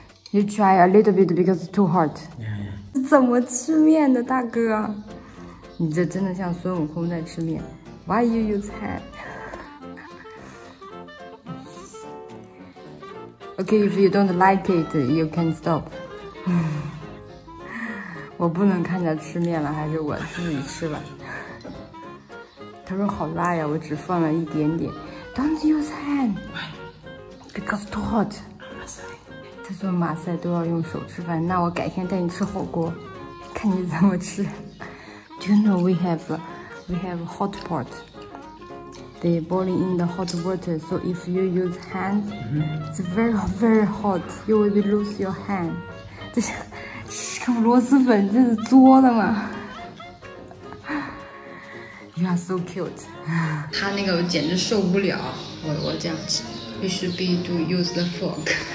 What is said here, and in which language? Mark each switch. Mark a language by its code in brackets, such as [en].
[en] You try a little bit because it's too hard. Yeah, [zh] yeah. 怎么吃面的，大哥？你这真的像孙悟空在吃面。 [en] Why you use hand? Okay, if you don't like it, you can stop. [zh] 我不能看着吃面了，还是我自己吃吧。他说好辣呀，我只放了一点点。 [en] Don't use hand. Why? Because too hot. [zh] 他说马赛都要用手吃饭，那我改天带你吃火锅，看你怎么吃。 [en] Do you know we have hot pot? They boiling in the hot water. So if you use hand, it's very very hot. You will lose your hand. [zh] 这是烤螺蛳粉，这是作的吗？ [en] You are so cute. [zh] 他那个简直受不了，我这样吃。 [en] You should be to use the fork.